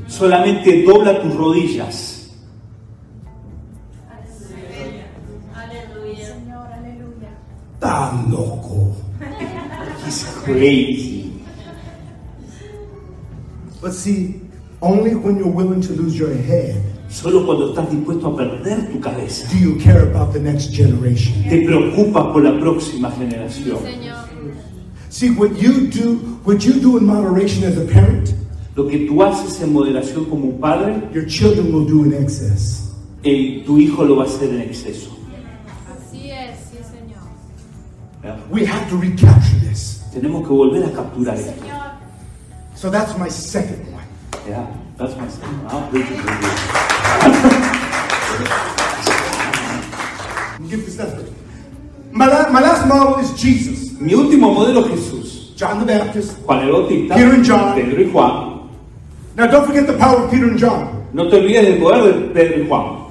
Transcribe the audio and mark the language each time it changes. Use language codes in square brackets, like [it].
[es] Solamente dobla tus rodillas. Aleluya. Aleluya. Aleluya. Está loco. [en] He's crazy. But see, only when you're willing to lose your head, [es] solo cuando estás dispuesto a perder tu cabeza, [en] do you care about the next generation? [es] Te preocupas por la próxima generación. [en] See, what you do in moderation as a parent, [es] lo que tú haces en moderación como un padre, [en] your children will do in excess. [es] Tu hijo lo va a hacer en exceso. Así es, sí, señor. [en] We have to recapture this. [es] Tenemos que volver a capturar esto. [en] So that's my second one. Yeah, that's my second one. I'll preach it with you. Give this effort. My last model is Jesus. [es] Mi último modelo, Jesús. [en] John the Baptist. [es] Juan el Bautista. [en] Peter and John. [es] Pedro y Juan. [en] Now don't forget the power of Peter and John. [es] No te olvides del poder de Pedro y Juan.